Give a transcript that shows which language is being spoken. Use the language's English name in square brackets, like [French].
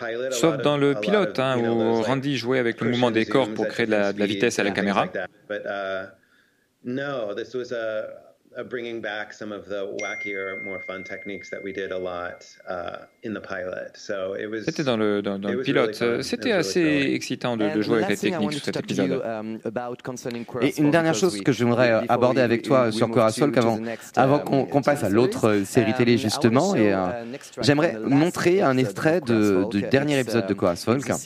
[French] Sauf dans le pilote, où Randy jouait avec le mouvement des corps pour créer de la vitesse à la caméra. [English] But no, this was a bringing back some of the wackier, more fun techniques that we did a lot in the pilot. So it was. [French] C'était dans le pilote. C'était assez excitant de jouer avec les techniques sur cet épisode. Et une dernière chose que j'aimerais aborder avec toi sur Corasol, avant qu'on passe à l'autre série télé justement, et j'aimerais montrer un extrait du dernier épisode de Corasol.